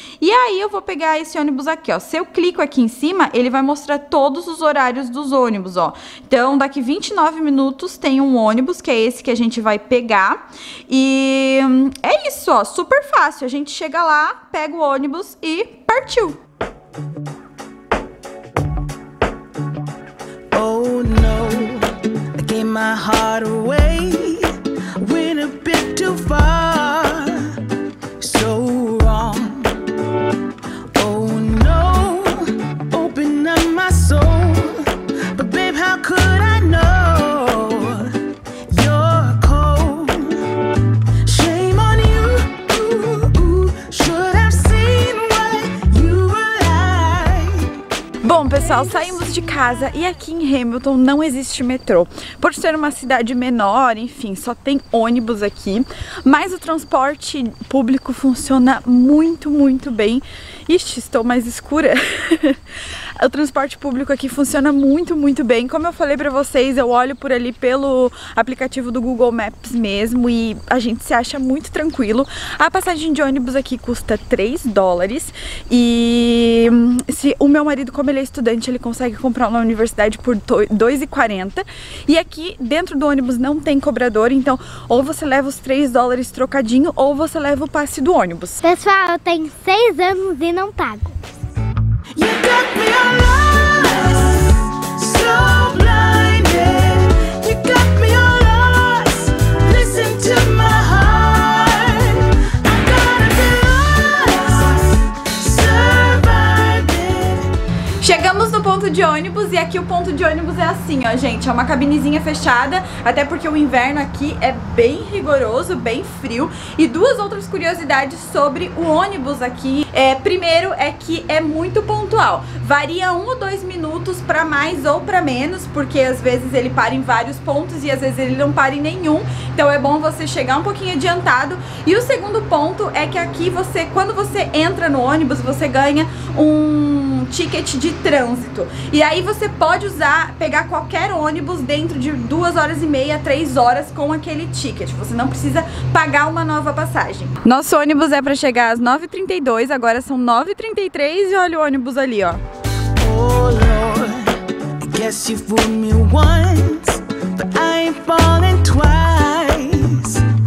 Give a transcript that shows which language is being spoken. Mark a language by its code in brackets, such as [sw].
[pt] E aí eu vou pegar esse ônibus aqui, ó. Se eu clico aqui em cima, ele vai mostrar todos os horários dos ônibus, ó. Então, daqui 29 minutos tem um ônibus, que é esse que a gente vai pegar. E é isso, ó. Super fácil. A gente chega lá, pega o ônibus e partiu. [en] Oh no, I gave my heart away. Went a bit too far, so wrong. Oh no, open up my soul. But babe, how could I know you're cold? Shame on you, should have seen what you were like. [pt] Bom, pessoal, saímos de casa e aqui em Hamilton não existe metrô. Por ser uma cidade menor, enfim, só tem ônibus aqui, mas o transporte público funciona muito, muito bem. Ixi, estou mais escura. O transporte público aqui funciona muito, muito bem. Como eu falei pra vocês, eu olho por ali pelo aplicativo do Google Maps mesmo e a gente se acha muito tranquilo. A passagem de ônibus aqui custa 3 dólares e se o meu marido, como ele é estudante, ele consegue comprar na universidade por 2,40. E aqui dentro do ônibus não tem cobrador, então ou você leva os 3 dólares trocadinho ou você leva o passe do ônibus. Pessoal, eu tenho 6 anos e não pago. [en] You got me all lost, so blinded. You got me all lost, listen to my heart. I gotta be lost, surviving. [pt] Chegamos no ponto de ônibus e aqui o ponto de ônibus é assim, ó, gente. É uma cabinezinha fechada, até porque o inverno aqui é bem rigoroso, bem frio. E duas outras curiosidades sobre o ônibus aqui. Primeiro é que é muito pontual. Varia 1 ou 2 minutos pra mais ou pra menos, porque às vezes ele para em vários pontos e às vezes ele não para em nenhum. Então é bom você chegar um pouquinho adiantado. E o segundo ponto é que aqui você, quando você entra no ônibus, você ganha um ticket de trânsito. E aí você pode usar, pegar qualquer ônibus dentro de 2 horas e meia, 3 horas com aquele ticket. Você não precisa pagar uma nova passagem. Nosso ônibus é pra chegar às 9h32, agora são 9h33 e olha o ônibus ali, ó. [en] Oh Lord, I guess you fooled me once, but I ain't falling twice.